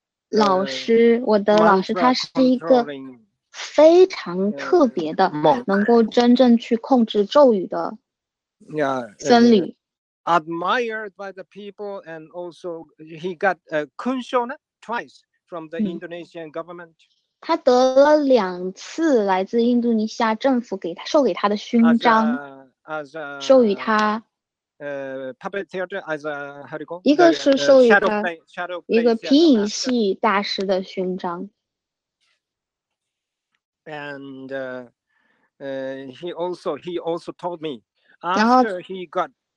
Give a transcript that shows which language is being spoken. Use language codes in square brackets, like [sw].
[zh] 老师，我的老师他是一个非常特别的， [en] monk. [zh] 能够真正去控制咒语的。 [en] Yeah, [zh] 僧侣。 [en] Admired by the people, and also he got a kunshona twice from the Indonesian government. [zh] 他得了两次来自印度尼西亚政府给他授给他的勋章。 [en] As a [zh] 授予他 [en] puppet theater as a [zh] 一个是授予他 [en] shadow play, [zh] 一个皮影戏大师的勋章。 [en] And he also told me after he got.